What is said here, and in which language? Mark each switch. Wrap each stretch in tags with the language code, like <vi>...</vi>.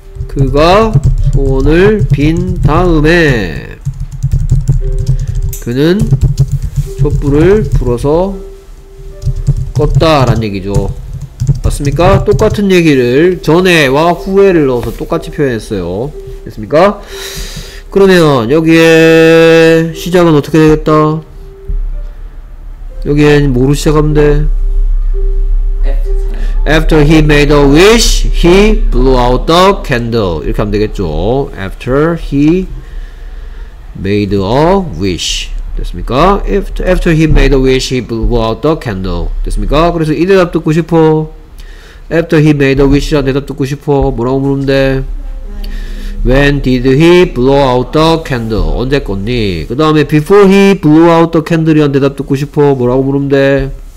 <ko>그가 소원을 빈 다음에 그는 촛불을 불어서 껐다 라는 얘기죠. 맞습니까? 똑같은 얘기를 전에와 후에를 넣어서 똑같이 표현했어요. 됐습니까? 그러면 여기에 시작은 어떻게 되겠다? 여기엔 뭐로 시작하면 돼?</ko> <en>After he made a wish, he blew out the candle.</en> <ko>이렇게 하면 되겠죠.</ko> <en>After he made a wish.</en> <ko>됐습니까?</ko> <en>After he made a wish, he blew out the candle.</en> <ko>됐습니까? 그래서 이 대답 듣고 싶어?</ko> <en>After he made a wish</en> <ko>라는 대답 듣고 싶어? 뭐라고 물으면 돼?</ko> <en>When did he blow out the candle?</en> <ko>언제 껐니? 그 다음에</ko> <en>before he blew out the candle</en> <ko>이란 대답 듣고 싶어? 뭐라고 물으면 돼?</ko>